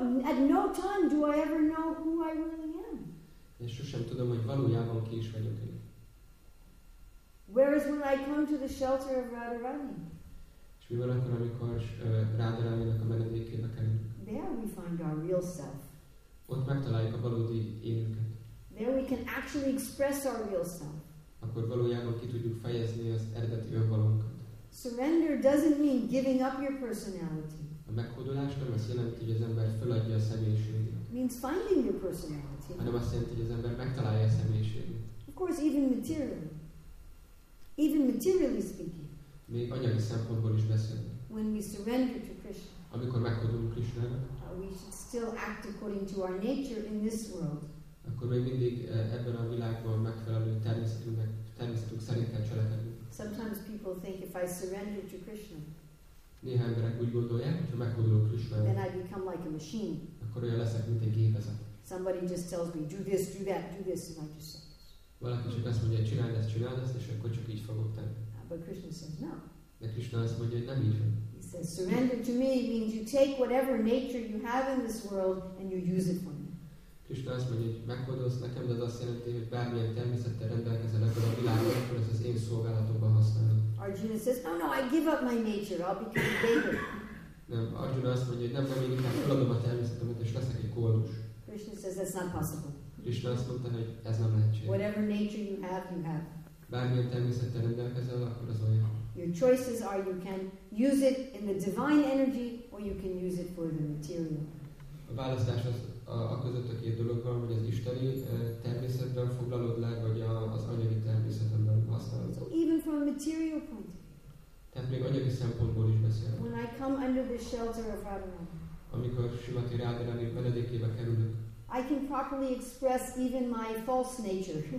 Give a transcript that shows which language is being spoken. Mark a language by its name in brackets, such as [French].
[English] At no time do I ever know who I really am. [Hungarian] És sosem tudom, hogy valójában ki is vagyok én. [English] Whereas when I come to the shelter of Radharani. [Hungarian] És mi van akkor, amikor Radharani-nak a menedékébe kerülünk? [English] There we find our real self. [Hungarian] Ott megtaláljuk a valódi énünket. [English] There we can actually express our real self. [Hungarian] Akkor valójában ki tudjuk fejezni az eredeti önmagunkat. [English] Surrender doesn't mean giving up your personality. [Hungarian] A meghódolás nem azt jelenti, hogy az ember feladja a személyiségét. [English] Means finding your personality. [Hungarian] Hanem azt jelenti, hogy az ember megtalálja a személyiségét. [English] Of course, even materially speaking. [Hungarian] Még anyagi szempontból is beszélünk. [English] When we surrender to Krishna. [Hungarian] Amikor meghódolunk Krishnának. [English] We should still act according to our nature in this world. [Hungarian] Akkor még mindig ebben a világban megfelelő természetünk szerint kell cselekednünk. [English] Sometimes people think if I surrender to Krishna. [Hungarian] Néhány emberek úgy gondolják, hogy ha meghódolok Krishna, [English] then I become like a machine. [Hungarian] Akkor olyan leszek, mint egy gépezet. [English] Somebody just tells me, do this, do that, do this, and I just say this. [Hungarian] Valaki csak azt mondja, csináld ezt, és akkor csak így fogok tenni. [English] But Krishna says, no. [Hungarian] De Krishna azt mondja, hogy nem így van. [English] He says, surrender to me means you take whatever nature you have in this world, and you use it for me. [Hungarian] Krisna azt mondja, hogy meghódolsz nekem, de az azt jelenti, hogy bármilyen természettel rendelkezel ebben a világban, akkor ezt az én szolgálatokban használod. [English] Arjuna says, no, no, I give up my nature, I'll become a beggar. [Hungarian] Nem, Arjuna azt mondja, hogy nem, nem, én inkább feladom a természetemet, és leszek egy kórus. [English] Krishna says, that's not possible. [Hungarian] Krishna azt mondta, hogy ez nem lehetséges. [English] Whatever nature you have, you have. [Hungarian] Bármilyen természettel rendelkezel, akkor az olyan. [English] Your choices are, you can use it in the divine energy, or you can use it for the material. [Hungarian] A választás az a között a két dolog van, hogy az isteni természetben foglalod le, vagy az anyagi természetben használod. [English] So even from a material point. [Hungarian] Tehát még anyagi szempontból is beszélek. [English] When I come under the shelter of Radha. [Hungarian] Amikor Srimati Radharani menedékébe kerülök. [English] I can properly express even my false nature.